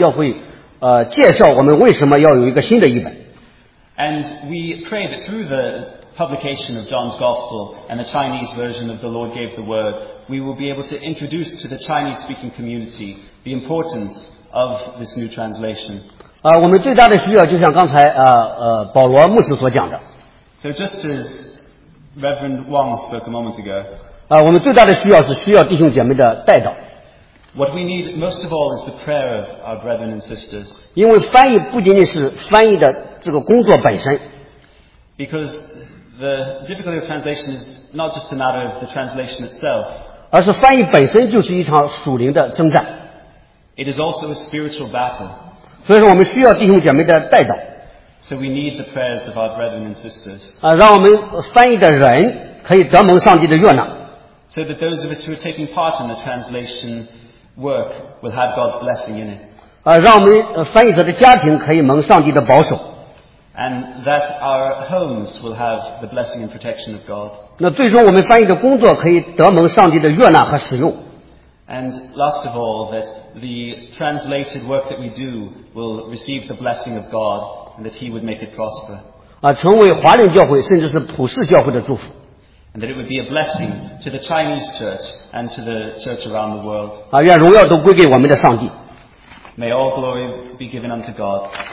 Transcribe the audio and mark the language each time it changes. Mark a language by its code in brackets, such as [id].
[zh] 我们希望借着约翰福音和主赐圣言，向华人教会介绍我们为什么要有一个新的译本。 [en] And we pray that through the publication of John's Gospel and the Chinese version of The Lord Gave the Word, we will be able to introduce to the Chinese-speaking community the importance of this new translation. [zh] 我们最大的需要就像刚才保罗牧师所讲的。 [en] So just as Reverend Wong spoke a moment ago, [zh] 我们最大的需要是需要弟兄姐妹的代祷。 [en] What we need most of all is the prayer of our brethren and sisters. [zh] 因为翻译不仅仅是翻译的这个工作本身。 [en] Because the difficulty of translation is not just a matter of the translation itself. [zh] 而是翻译本身就是一场属灵的征战。 [en] It is also a spiritual battle. [zh] 所以说我们需要弟兄姐妹的代祷。 [en] So we need the prayers of our brethren and sisters. [zh] 让我们翻译的人可以得蒙上帝的悦纳。 [en] So that those of us who are taking part in the translation work will have God's blessing in it. [zh] 让我们翻译者的家庭可以蒙上帝的保守。 [en] And that our homes will have the blessing and protection of God. [zh] 那最终我们翻译的工作可以得蒙上帝的悦纳和使用。 [en] And last of all, that the translated work that we do will receive the blessing of God and that He would make it prosper. [zh] 成为华人教会甚至是普世教会的祝福。 [en] And that it would be a blessing to the Chinese church and to the church around the world. [zh] 愿荣耀都归给我们的上帝。May [en] all glory be given unto God.